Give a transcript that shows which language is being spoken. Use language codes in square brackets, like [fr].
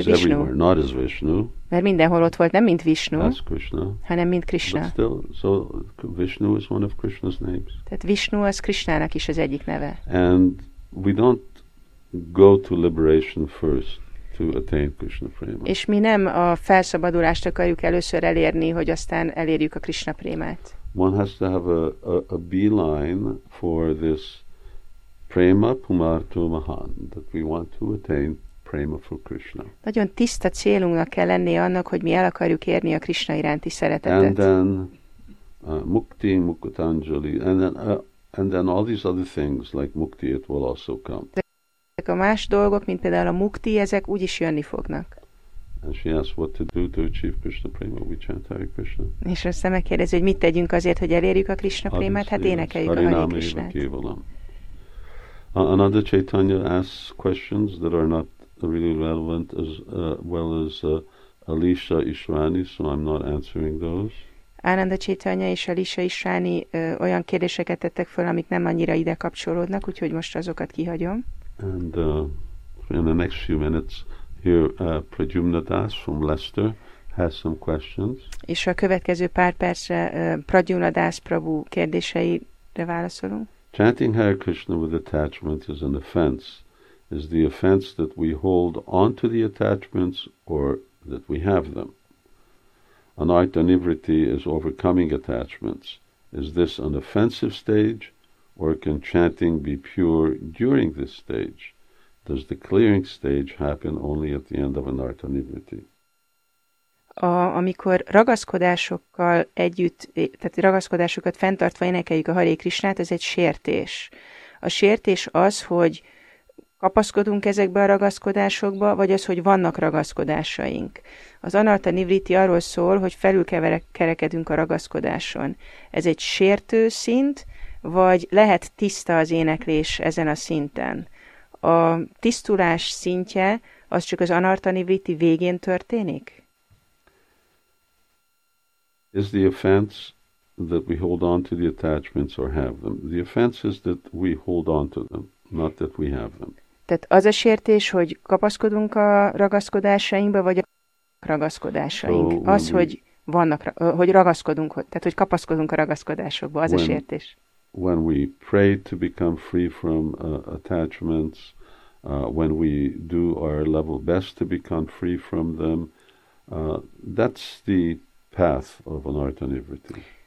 [en] Vishnu. [hu] Mert mindenhol ott volt, nem mint Vishnu, [en] Krishna, [hu] hanem mint Krishna. [en] Still, so Vishnu is one of Krishna's names. [hu] Tehát Vishnu az Krishnának is az egyik neve. [en] And we don't go to liberation first to attain Krishna prema. [hu] És mi nem a felszabadulást akarjuk először elérni, hogy aztán elérjük a Krishna prémát. [en] One has to have a beeline for this prema pumartu mahan, that we want to attain prema for Krishna. [hu] Nagyon tiszta célunknak kell lenni annak, hogy mi el akarjuk érni a Krishna iránti szeretetet. [en] And then mukti, mukutanjali, and then all these other things, like mukti, it will also come. [hu] Ezek a más dolgok, mint például a mukti, ezek úgyis jönni fognak. [en] And she asks what to do to achieve Krishna prema. We chant Hare Krishna. [hu] És aztán megkérdezi, hogy mit tegyünk azért, hogy elérjük a Krishna prémát? Hát énekeljük a Hare Krishnát. [en] Another Chaitanya asks questions that are not really relevant as well as Alisha Ishrani, so I'm not answering those. [hu] Ananda Chaitanya és Alisha Ishrani olyan kérdéseket tettek fel, amik nem annyira ide kapcsolódnak, úgyhogy most azokat kihagyom. [en] And in the next few minutes, here Pradyumna Das from Leicester has some questions. [hu] És a következő pár percre Pradyumna Das Prabhu kérdéseire válaszolunk. [en] Chanting Hare Krishna with attachment is an offense. Is the offense that we hold on to the attachments or that we have them? Anartha Nivritti is overcoming attachments. Is this an offensive stage? Or can chanting be pure during this stage? Does the clearing stage happen only at the end of an artha nivritti? [hu] Amikor ragaszkodásokkal együtt, tehát ragaszkodásokat fenntartva énekeljük a Hare Krishnát, ez egy sértés. A sértés az, hogy kapaszkodunk ezekbe a ragaszkodásokba, vagy az, hogy vannak ragaszkodásaink. Az anartha nivritti arról szól, hogy felülkerekedünk a ragaszkodáson. Ez egy sértő szint, vagy lehet tiszta az éneklés ezen a szinten. A tisztulás szintje az csak az anartha nivritti végén történik? [en] Is the offense that we hold on to the attachments or have them? The offense is that we hold on to them, not that we have them. [hu] Tehát az a sértés, hogy kapaszkodunk a ragaszkodásainkba, vagy a ragaszkodásaink. [en] So [hu] az, hogy vannak, hogy ragaszkodunk, tehát hogy kapaszkodunk a ragaszkodásokba, az a sértés. [en] When we pray to become free from attachments, when we do our level best to become free from them, that's the path of anartha nivritti.